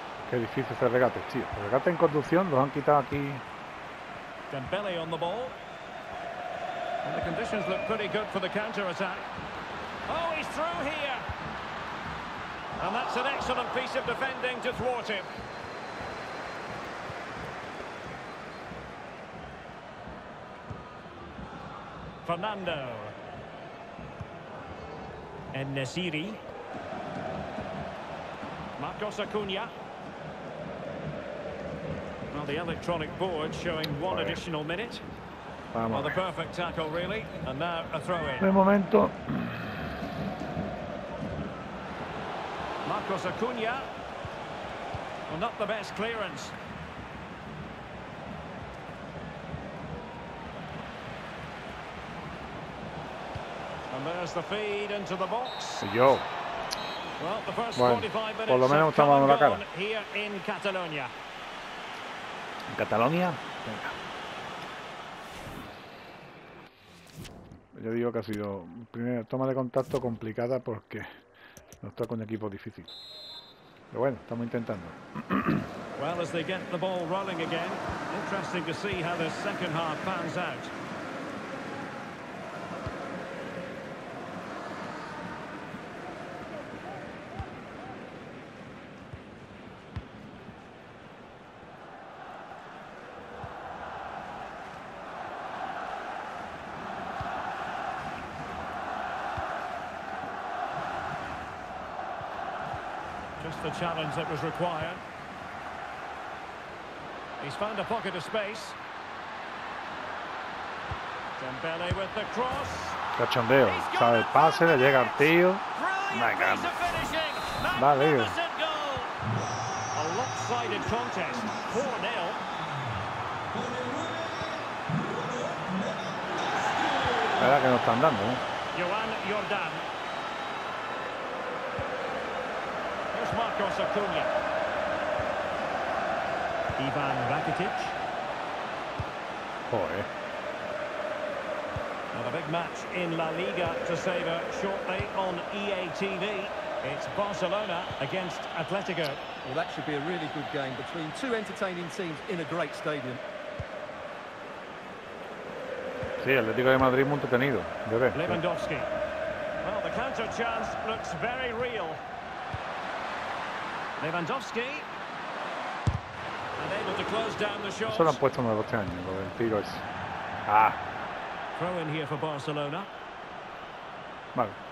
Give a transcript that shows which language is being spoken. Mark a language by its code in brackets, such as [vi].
[es] Qué difícil ese regate, tío. El regate en conducción los han quitado aquí. [en] Dembele on the ball. And the conditions look pretty good for the counter attack. Oh, he's through here. And that's an excellent piece of defending to thwart him. Fernando. And Nesiri. Marcos Acuña. Well, the electronic board showing one additional minute. [es] Vamos. [en] Well, the perfect tackle, really. And now a throw in. [es] De momento. [en] Marcos Acuña. Well, not the best clearance. And there's the feed into the box. [es] Yo. Bueno, por lo menos estamos dando la cara. En Cataluña. ¿En Cataluña? Venga. Yo digo que ha sido primera toma de contacto complicada porque nos toca un equipo difícil. Pero bueno, estamos intentando. [en] Well, as they get the ball rolling again, interesting to see how the second half pans out. The challenge that was required. He's found a pocket of space. Dembele with the cross. [es] Cachondeo. Sabe, pase, le llega al tío. Venga. Vale. [en] A lopsided contest. 4-0. [es] La verdad que no están dando, ¿eh? [en] Joan Jordan. Marcos Acuña. Ivan Rakitic. Boy. Not a big match in La Liga to savor shortly on EA TV. It's Barcelona against Atletico. Well, that should be a really good game between two entertaining teams in a great stadium. [es] Sí, Atlético de Madrid muy entretenido. Debe. [en] Lewandowski. Well, the counter chance looks very real. Lewandowski. And able to close down the shot. [es] Eso lo han puesto nuevo este año, lo del tiro ese. Ah. [en] Throw in here for Barcelona. [es] Vale.